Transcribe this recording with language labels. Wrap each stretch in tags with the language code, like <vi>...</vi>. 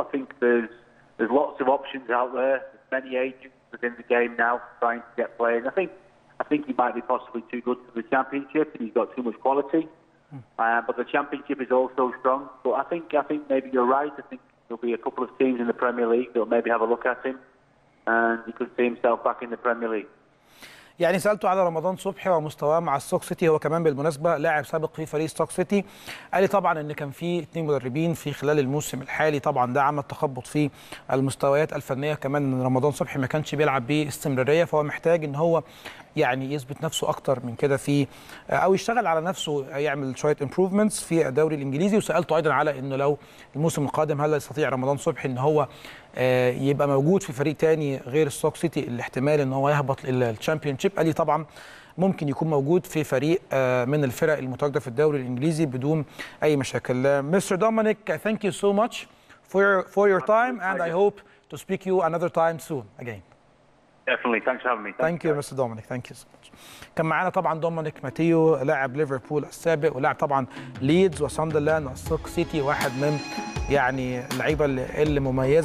<en>I think there's lots of options out there. There's many agents within the game now trying to get players. I think he might be possibly too good for the Championship and he's got too much quality. But the Championship is also strong. But I think maybe you're right. I think there'll be a couple of teams in the Premier League that'll maybe have a look at him and he could see himself back in the Premier League.</en> <ar>يعني سألته على رمضان صبحي ومستواه مع ستوك سيتي. هو كمان بالمناسبة لاعب سابق في فريق ستوك سيتي. قال لي طبعا أن كان في اثنين مدربين في خلال الموسم الحالي طبعا ده عمل تخبط في المستويات الفنية. كمان أن رمضان صبحي ما كانش بيلعب باستمرارية فهو محتاج أن هو يعني يثبت نفسه أكتر من كده في أو يشتغل على نفسه يعمل شوية improvements في الدوري الإنجليزي. وسألته أيضا على أنه لو الموسم القادم هل يستطيع رمضان صبحي أن هو يبقى موجود في فريق تاني غير ستوك سيتي الاحتمال ان هو يهبط الى الشامبيونشيب. قال لي طبعا ممكن يكون موجود في فريق من الفرق المتواجده في الدوري الانجليزي بدون اي مشاكل.</ar> <en>Mister Dominic, thank you so much for your time and I hope to speak to you another time soon again. Definitely, thanks for having me. Thank you, Mr. Dominic. Thank you so much.</en> <ar>كان معانا طبعا دومينيك ماتيو لاعب ليفربول السابق ولاعب طبعا ليدز وساندرلاند وستوك سيتي, واحد من يعني اللعيبه المميزه.</ar>